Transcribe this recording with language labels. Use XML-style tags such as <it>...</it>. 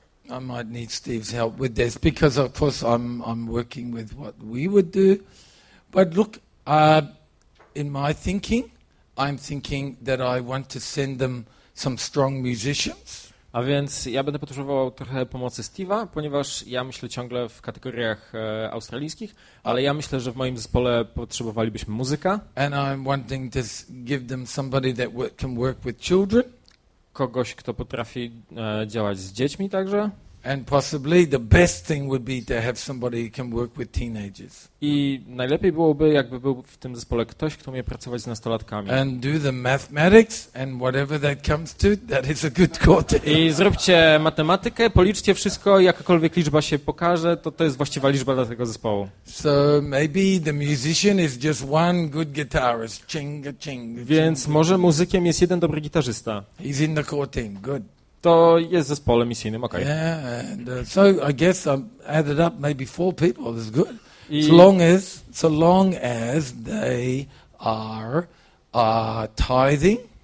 <en>I might need Steve's help with this, because of course I'm working with what we would do, but look. In my thinking, I'm thinking that I want to send them some strong musicians.</en> <pl>A więc ja będę potrzebował trochę pomocy Steve'a, ponieważ ja myślę ciągle w kategoriach australijskich, ale ja myślę, że w moim zespole potrzebowalibyśmy muzyka.</pl> <en>And I'm wanting to give them somebody that can work with children.</en> <pl>Kogoś, kto potrafi działać z dziećmi także.</pl> <en>And possibly the best thing would be to have somebody who can work with teenagers.</en> <pl>I najlepiej byłoby, jakby był w tym zespole ktoś, kto umie pracować z nastolatkami.</pl> <en>And do the mathematics and whatever that comes to, that is a good quarter.</en> <pl>I zróbcie matematykę, policzcie wszystko, jakakolwiek liczba się pokaże, to jest właściwa liczba dla tego zespołu.</pl> <en>So maybe the musician is just one good guitarist. Chinga, chinga.</en> <pl>Więc może muzykiem jest jeden dobry gitarzysta.</pl> <en>He's in the core team. Good.</en> <pl>To jest zespole misyjnym, okej.</pl> <en>Okay. Yeah, and so I guess I added up maybe 4 people. That's good. So long as they are tithing.</en>